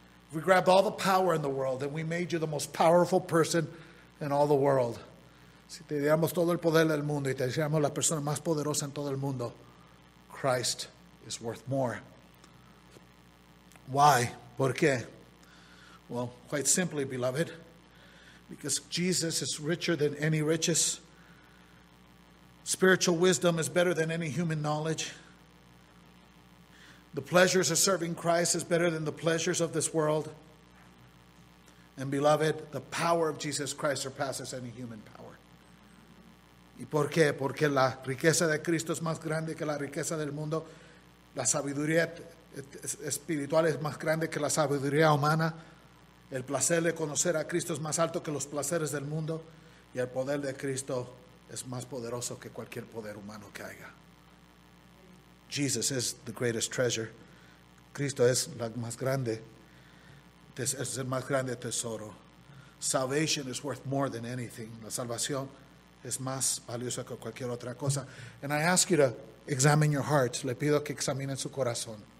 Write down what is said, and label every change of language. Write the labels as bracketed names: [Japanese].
[English] If we grabbed all the power in the world, then we made you the most powerful person in all the world. [Spanish] Si te diéramos todo el poder del mundo y te hiciéramos la persona más poderosa en todo el mundo, [English] Christ is worth more. Why? [Spanish] ¿Por qué? [English] Well, quite simply, beloved, because Jesus is richer than any riches. Spiritual wisdom is better than any human knowledge. The pleasures of serving Christ is better than the pleasures of this world. And beloved, the power of Jesus Christ surpasses any human power. [Spanish] ¿Y por qué? Porque la riqueza de Cristo es más grande que la riqueza del mundo. La sabiduría espiritual es más grande que la sabiduría humana. El placer de conocer a Cristo es más alto que los placeres del mundo. Y el poder de Cristo es más poderoso que cualquier poder humano que haya. [English] Jesus is the greatest treasure. [Spanish] Cristo es la más grande. Es el más grande tesoro. [English] Salvation is worth more than anything. [Spanish] La salvación es más valiosa que cualquier otra cosa. [English] And I ask you to examine your hearts. [Spanish] Le pido que examinen su corazón.